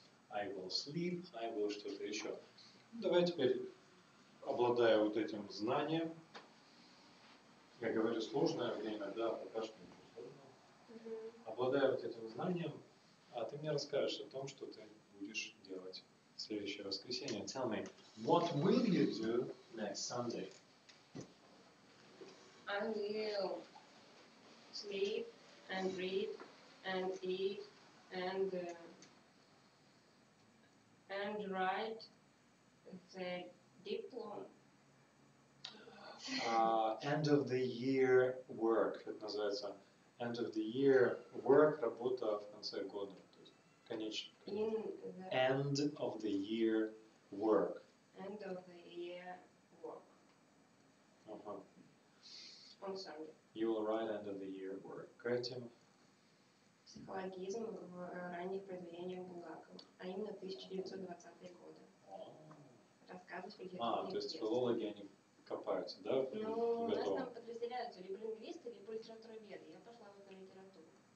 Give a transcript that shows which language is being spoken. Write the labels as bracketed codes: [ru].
[en] I will sleep. I will [ru] что-то еще. Давай теперь, обладая вот этим знанием, я говорю сложное время, да, пока что ничего сложного. Обладая вот этим знанием, а ты мне расскажешь о том, что ты будешь делать в следующее воскресенье. [en] Tell me, what will you do next Sunday? I will sleep and read and eat and write the diploma. End of the year work. [ru] Это называется [en] end of the year work, [ru] работа в конце года. [en] End of the year work. End of the year work. Uh-huh. On Sunday. You will write end of the year work. [ru] Креатив. Психологизм в ранних произведениях Булгакова, а именно 1920-е годы. Рассказывать в литературе. То есть филологи, они копаются, да? Ну, у нас там подразделяются либо лингвисты, либо литературоведы. Я пошла в эту литературу.